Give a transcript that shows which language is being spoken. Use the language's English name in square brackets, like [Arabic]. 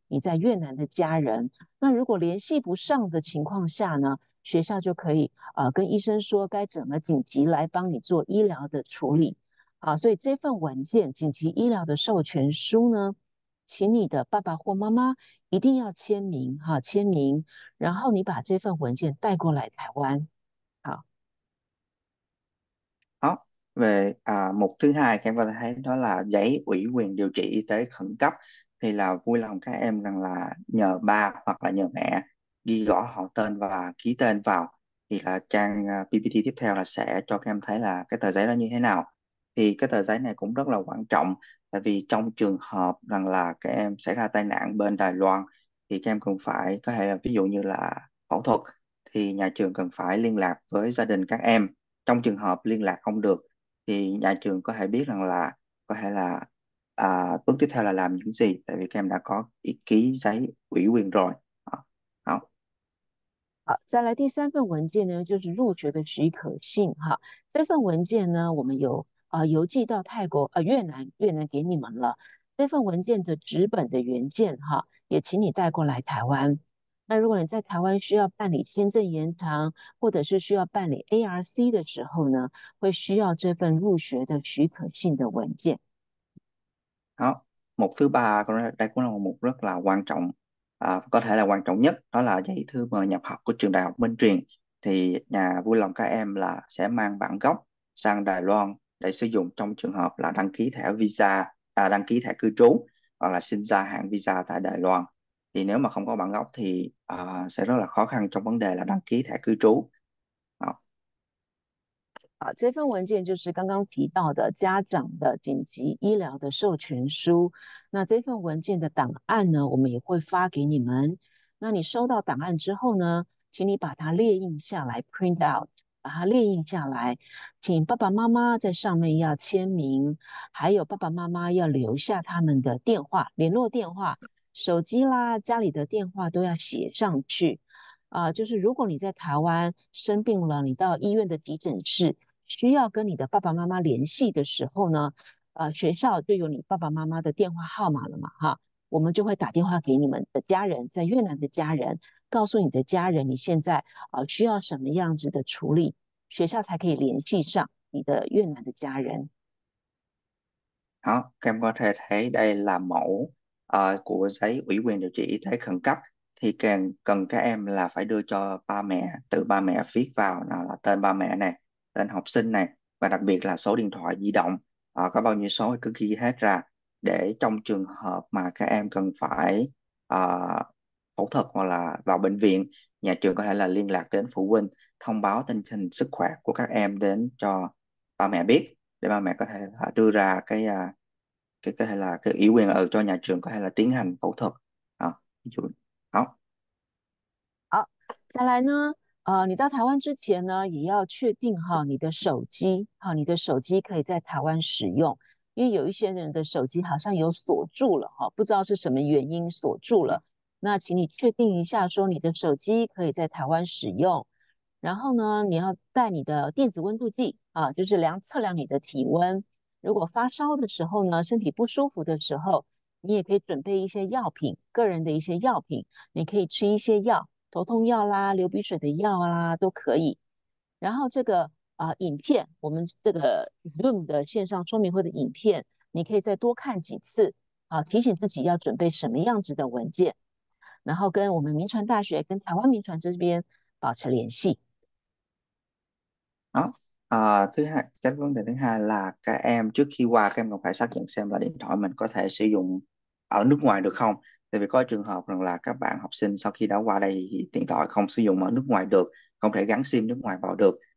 [Chinese] 你在越南的家人，那如果联系不上的情况下呢，学校就可以跟医生说该怎么紧急来帮你做医疗的处理。好，所以这份文件紧急医疗的授权书呢，请你的爸爸或妈妈一定要签名哈，签名，然后你把这份文件带过来台湾。 [Vietnamese] Về mục thứ hai các em có thể thấy đó là giấy ủy quyền điều trị y tế khẩn cấp, thì là vui lòng các em rằng là nhờ ba hoặc là nhờ mẹ ghi rõ họ tên và ký tên vào, thì là trang PPT tiếp theo là sẽ cho các em thấy là cái tờ giấy đó như thế nào. Thì cái tờ giấy này cũng rất là quan trọng, tại vì trong trường hợp rằng là các em xảy ra tai nạn bên Đài Loan thì các em cần phải có thể là ví dụ như là phẫu thuật thì nhà trường cần phải liên lạc với gia đình các em. Trong trường hợp liên lạc không được thì nhà trường có thể biết rằng là có thể là bước tiếp theo là làm những gì, tại vì các em đã có ý ký giấy ủy quyền rồi. [Chinese] 好，再来第三份文件呢，就是入学的许可信哈。这份文件呢，我们有邮寄到泰国越南给你们了。这份文件的纸本的原件哈，也请你带过来台湾。那如果你在台湾需要办理签证延长，或者是需要办理 ARC 的时候呢，会需要这份入学的许可信的文件。 [Vietnamese] Đó. Mục thứ ba đây cũng là một mục rất là quan trọng, có thể là quan trọng nhất, đó là giấy thư mời nhập học của trường đại học Minh Triền. Thì nhà vui lòng các em là sẽ mang bản gốc sang Đài Loan để sử dụng trong trường hợp là đăng ký thẻ visa, đăng ký thẻ cư trú hoặc là xin gia hạn visa tại Đài Loan. Thì nếu mà không có bản gốc thì sẽ rất là khó khăn trong vấn đề là đăng ký thẻ cư trú. [Chinese] 好，这份文件就是刚刚提到的家长的紧急医疗的授权书。那这份文件的档案呢，我们也会发给你们。那你收到档案之后呢，请你把它列印下来， [English] print out， [Chinese] 把它列印下来，请爸爸妈妈在上面要签名，还有爸爸妈妈要留下他们的电话、联络电话、手机啦、家里的电话都要写上去。就是如果你在台湾生病了，你到医院的急诊室需要跟你的爸爸妈妈联系的时候呢，学校就有你爸爸妈妈的电话号码了嘛，哈，我们就会打电话给你们的家人，在越南的家人，告诉你的家人你现在需要什么样子的处理，学校才可以联系上你的越南的家人。 [Vietnamese] Đó, các em có thể thấy đây là mẫu của giấy ủy quyền điều trị y tế khẩn cấp, thì càng cần các em là phải đưa cho ba mẹ, tự ba mẹ viết vào nào là tên ba mẹ này, tên học sinh này, và đặc biệt là số điện thoại di động, có bao nhiêu số thì cứ ghi hết ra, để trong trường hợp mà các em cần phải phẫu thuật hoặc là vào bệnh viện, nhà trường có thể là liên lạc đến phụ huynh thông báo tình hình sức khỏe của các em đến cho ba mẹ biết, để ba mẹ có thể đưa ra cái có thể là cái ủy quyền ở cho nhà trường có thể là tiến hành phẫu thuật. Ví dụ đó. [Chinese] 再来呢，你到台湾之前呢，也要确定哈，你的手机可以在台湾使用。因为有一些人的手机好像有锁住了哈，不知道是什么原因锁住了。那请你确定一下，说你的手机可以在台湾使用。然后呢，你要带你的电子温度计啊，就是测量你的体温。如果发烧的时候呢，身体不舒服的时候，你也可以准备一些药品，个人的一些药品，你可以吃一些药，头痛药啦、流鼻水的药啦都可以。然后这个。影片，我们这个 Zoom 的线上说明会的影片，你可以再多看几次啊，提醒自己要准备什么样子的文件，然后跟我们明传大学、跟台湾明传这边保持联系。 [Vietnamese] Đó. Thứ hai, cái vấn đề thứ hai là các em trước khi qua các em còn phải xác nhận xem là điện thoại mình có thể sử dụng ở nước ngoài được không. Tại vì có trường hợp rằng là các bạn học sinh sau khi đã qua đây thì điện thoại không sử dụng ở nước ngoài được, không thể gắn SIM nước ngoài vào được.